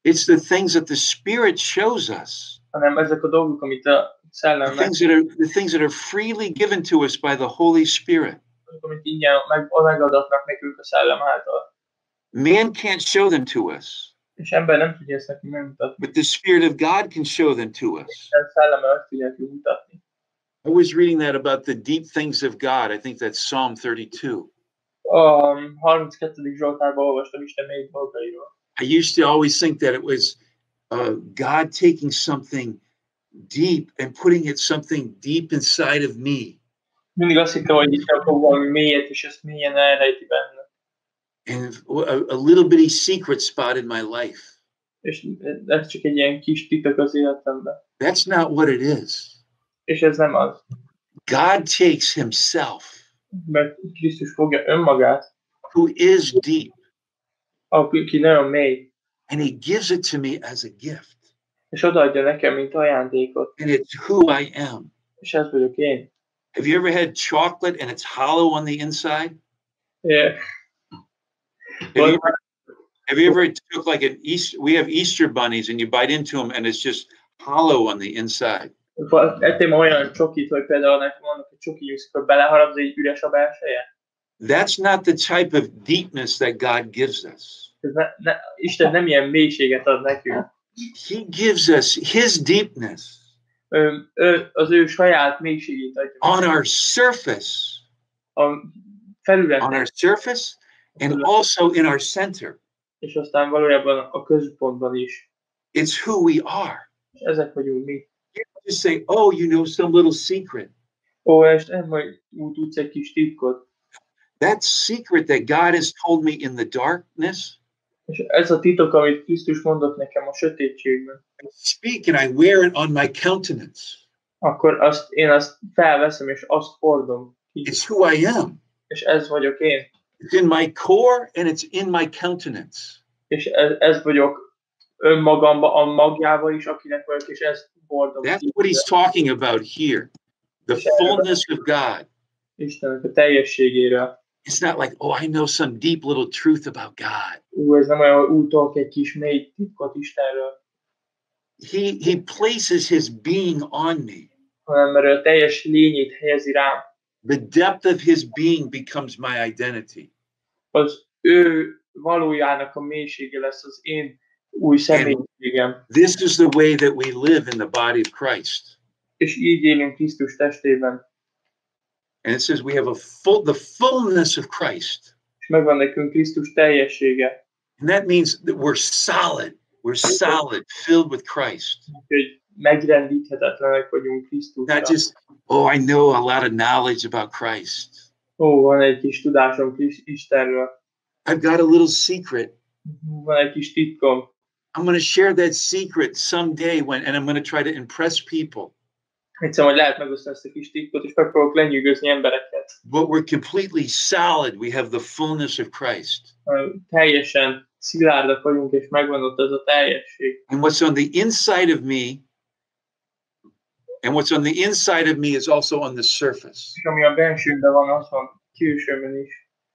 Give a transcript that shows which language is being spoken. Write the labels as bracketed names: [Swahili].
[English] It's the things that the Spirit shows us. [Hungarian] Hanem ezek a dolgok, amit a szellem meg. [English] The things that are freely given to us by the Holy Spirit. [Hungarian] Amit ingyen megadatnak nekünk a szellem által. [English] Man can't show them to us. [Hungarian] És ember nem tudja ezt nekünk megmutatni. [English] But the Spirit of God can show them to us. [Hungarian] És a szellem meg tudja nekünk mutatni. [English] I was reading that about the deep things of God. I think that's Psalm 32. 32. [Hungarian] Zsoltárban olvastam Isten mély dolgairól. [English] I used to always think that it was God taking something deep and putting it something deep inside of me. [Hungarian] Mindig azt hittem, hogy Isten fog valami mélyet, és ezt mélyen elrejti benne. [English] And a little bitty secret spot in my life. [Hungarian] És ez csak egy ilyen kis titok az életemben. [English] That's not what it is. [Hungarian] És ez nem az. [English] God takes himself. [Hungarian] Mert Krisztus fogja önmagát, [English] who is deep, And he gives it to me as a gift. [Hungarian] És odaadja nekem, mint ajándékot. [English] And it's who I am. [Hungarian] És ez vagyok én. [English] Have you ever had chocolate and it's hollow on the inside? Yeah. Have you ever took like an Easter, we have Easter bunnies and you bite into them and it's just hollow on the inside. [Hungarian] Ettem olyan csokit, hogy például nekem vannak a csokijuszik, hogy beleharapsz, egy üres a belseje. [English] That's not the type of deepness that God gives us. [Hungarian] Isten nem ilyen mélységet ad nekünk. [English] He gives us his deepness. [Hungarian] Az ő saját mélységét adja. [English] On our surface. [Hungarian] A felületen. [English] On our surface and also in our center. [Hungarian] És aztán valójában a középpontban is. [English] It's who we are. [Hungarian] Ezek vagyunk mi. [English] Just say, oh, you know some little secret. [Hungarian] Oh, és nem, hogy úgy tudsz egy kis titkot. [English] That secret that God has told me in the darkness. [Hungarian] És ez a titok, amit Krisztus mondott nekem a sötétségben. [English] I speak and I wear it on my countenance. [Hungarian] Akkor azt, én azt felveszem, és azt hordom. [English] It's who I am. [Hungarian] És ez vagyok én. [English] It's in my core and it's in my countenance. [Hungarian] És ez vagyok önmagamba, a magjába is, akinek vagyok, és ez. [English] That's what he's talking about here. The fullness of God. [Hungarian] Istennek a teljességére. [English] It's not like, oh, I know some deep little truth about God. [Hungarian] Ez nem olyan, hogy tudok egy kis mély titkot Istenről. [English] He places his being on me. [Hungarian] Hanem, mert a teljes lényét helyezi rám. [English] The depth of his being becomes my identity. [Hungarian] Az ő valójának a mélysége lesz az én. Új személyiségem. [English] This is the way that we live in the body of Christ. [Hungarian] És így élünk Krisztus testében. [English] And it says we have the fullness of Christ. [Hungarian] És megvan nekünk Krisztus teljessége. [English] And that means that we're solid. We're solid, filled with Christ. [Hungarian] Megrendíthetetlenek vagyunk Krisztusra. [English] Not just, oh, I know a lot of knowledge about Christ. [Hungarian] Ó, van egy kis tudásom Istenről. [English] I've got a little secret. [Hungarian] Van egy kis titkom. [English] I'm going to share that secret someday when, and I'm going to try to impress people. [Hungarian] Egyszer majd lehet megosztani ezt a kis titkot, és megpróbálok lenyűgözni embereket. [English] But we're completely solid. We have the fullness of Christ. [Hungarian] Teljesen szilárdak vagyunk, és megvan ott ez a teljesség. [English] And what's on the inside of me, and what's on the inside of me is also on the surface. [Hungarian] És ami a bensőben van, az van külsőben is.